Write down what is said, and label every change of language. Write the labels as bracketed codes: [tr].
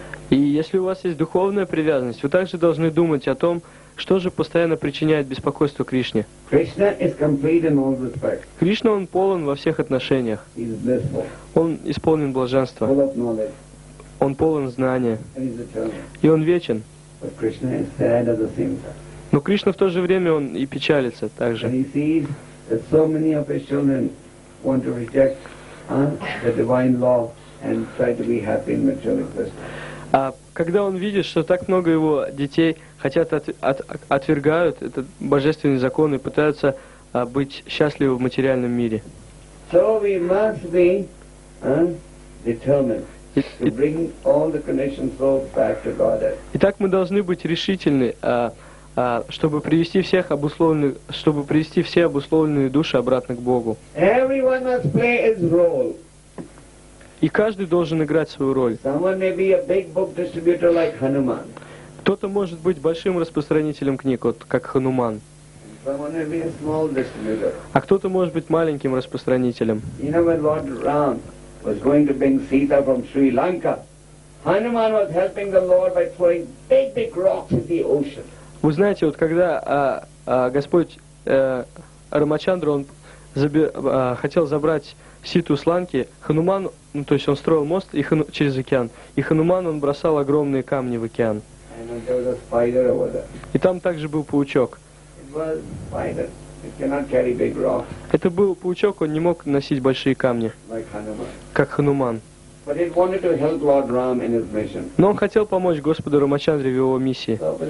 [ru] И если у вас есть духовная привязанность, вы также должны думать о том, что же постоянно причиняет беспокойство Кришне. Кришна, он полон во всех отношениях. Он исполнен блаженства. Он полон знания. И он вечен. [en] But Krishna is sad at the same time. [ru] Но Кришна в то же время он и печалится также. [en] And he sees that so many of his children want to reject the divine law and try to be happy in material existence. [ru] Когда он видит, что так много его детей хотят отвергают этот божественный закон и пытаются быть счастливы в материальном мире. [en] So we must be determined. To bring all the conditioned souls back to Godhead. [ru] Итак, мы должны быть решительны, чтобы привести всех обусловленных, чтобы привести все обусловленные души обратно к Богу. [en] Everyone must play his role. [ru] И каждый должен играть свою роль. [en] Someone may be a big book distributor like Hanuman. [ru] Кто-то может быть большим распространителем книг, вот как Хануман. [en] Someone may be a small distributor. [ru] А кто-то может быть маленьким распространителем. [en] You know, when Lord Ram was going to bring Sita from Sri Lanka. Hanuman was helping the Lord by throwing big, big rocks in the ocean. [ru] Вы знаете, вот когда Господь Рамачандра, он хотел забрать Ситу с Ланки, Хануман, ну, то есть он строил мост и через океан, и Хануман, он бросал огромные камни в океан. [en] And there was a spider over there. [ru] И там также был паучок. [en] It was spider. It cannot carry big rocks. [ru] Это был паучок, он не мог носить большие камни, как Хануман. [en] But it wanted to help Lord Ram in his mission. [ru] Но он хотел помочь Господу Рамачандре в его миссии.